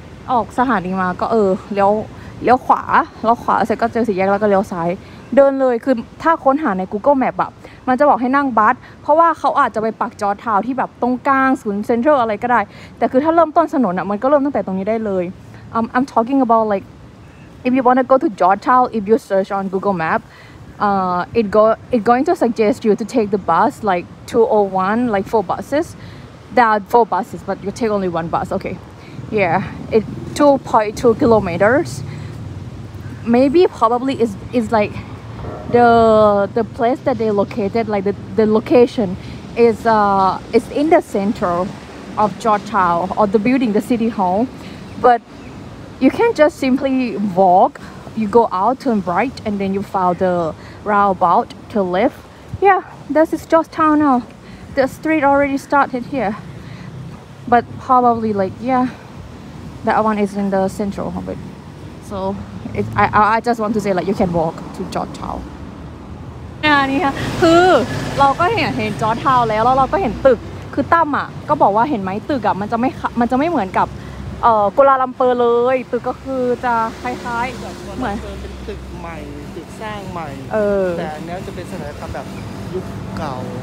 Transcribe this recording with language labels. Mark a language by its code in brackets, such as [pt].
[th] ออกสถานีมาก็เลี้ยวขวาแล้วขวาเสร็จก็เจอสี่แยกแล้วก็เลี้ยวซ้ายเดินเลยคือถ้าค้นหาใน Google Map แบบมันจะบอกให้นั่งบัสเพราะว่าเขาอาจจะไปปักจอร์จทาวน์ที่แบบตรงกลางศูนย์เซ็นทรัลอะไรก็ได้แต่คือถ้าเริ่มต้นถนนอ่ะมันก็เริ่มตั้งแต่ตรงนี้ได้เลย [en] I'm talking about like if you want to go to Georgetown, if you search on Google Map, it's going to suggest you to take the bus like 201, like four buses. There are four buses, but you take only one bus. Okay, yeah, it's 2.2 kilometers. Maybe probably is like the place that they located, like the location is in the center of Georgetown or the building, the city hall, but. You can't just simply walk. You go out, turn right, and then you follow the roundabout to left. Yeah, this is Georgetown now. The street already started here. But probably like, yeah, that one is in the central of it. So I just want to say like, you can walk to Georgetown. [th] นี่ค่ะคือเราก็เห็น Georgetown แล้วเราก็เห็นตึกคือตั้มอ่ะก็บอกว่าเห็นไหมตึกอ่ะมันจะไม่เหมือนกับกัวลาลัมเปอร์เลยตึกก็คือจะคล้ายๆเห มือนเป็นตึกใหม่ตึกสร้างใหม่ แต่อันนี้จะเป็นสถาปัตยกรรมแบบยุคเก่า